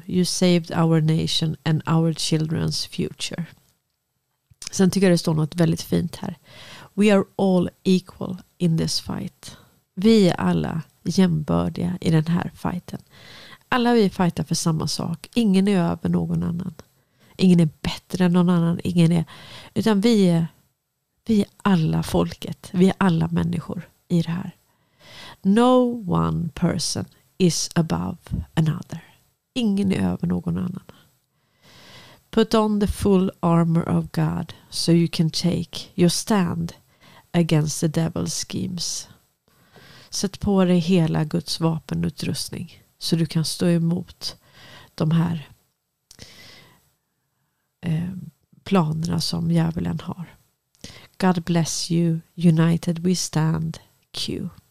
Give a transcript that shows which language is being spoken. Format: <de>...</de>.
<en>You saved our nation and our children's future.</en> <sv>Sen tycker jag det står något väldigt fint här:</sv> <en>We are all equal in this fight.</en> <sv>Vi är alla jämbördiga i den här fighten. Alla vi fightar för samma sak. Ingen är över någon annan. Ingen är bättre än någon annan. Ingen är, utan vi är alla folket. Vi är alla människor i det här.</sv> <en>No one person is above another.</en> <sv>Ingen är över någon annan.</sv> <en>Put on the full armor of God so you can take your stand against the devil's schemes.</en> <sv>Sätt på dig hela Guds vapenutrustning så du kan stå emot de här planerna som djävulen har.</sv> <en>God bless you, united we stand, Q.</en>